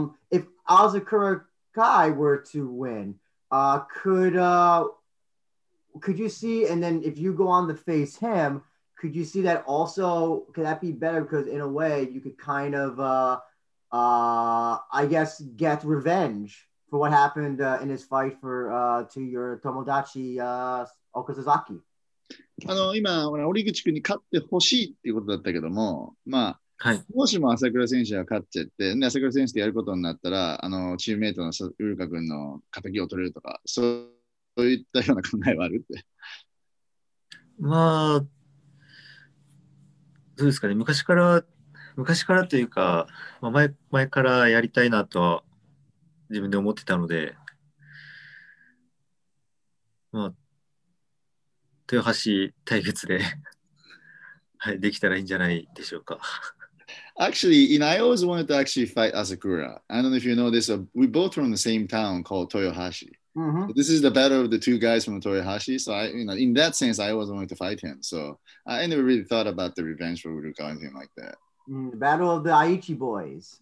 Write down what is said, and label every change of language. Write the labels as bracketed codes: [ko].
[en] If Asakura Kai were to win, could you see, and then if you go on to face him, could you see that also, could that be better? Because in a way, you could kind of, I guess, get revenge for what happened in his fight for to your Tomodachi Okazaki. [ja] あの今俺堀口くんに勝ってほしいっていうことだったけども、まあ、はい、もしも朝倉選手が勝っちゃって、朝倉選手ってやることになったら、あのチームメイトのウルカくんの仇を取れるとか、そういったような考えはあるって。まあどうですかね。昔からというか、まあ、前からやりたいなとは自分で思ってたので、まあ。豊橋対決で はい、できたらいいんじゃないでしょうか。 [en] Actually, you know, I always wanted to actually fight Asakura. I don't know if you know this, but we're both from the same town called Toyohashi. Mm-hmm. This is the battle of the two guys from Toyohashi. So, I, you know, in that sense, I always wanted to fight him. So, I never really thought about the revenge for Uruka or anything like that. The battle of the Aichi boys.